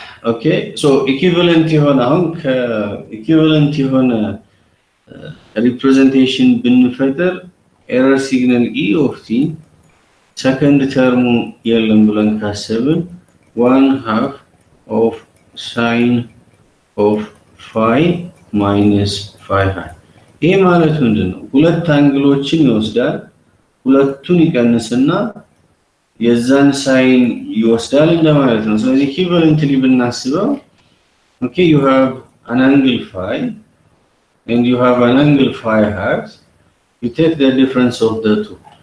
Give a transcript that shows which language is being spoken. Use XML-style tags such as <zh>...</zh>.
<en>ኦኬ ሶ equivalent የሆነ አሁን ከ equivalent የሆነ representation</en> <am>ብንፈጥር</am> <en>error signal e of t second term</en> <am>የለም ብለን ካሰብን</am> <en>1 half of sin of phi minus phi hat</en> <am>ይህ ማለት ምንድነው? ሁለት አንግሎችን ይወስዳል ሁለቱን ይቀንስና የዛን ሳይን ይወስዳል እንደማለት ነው. ስለዚህ</am> <en>equivalently</en> <am>ብናስበው</am> <en>okay you have an angle phi and you have an angle phi hat you take the difference of the two.</en>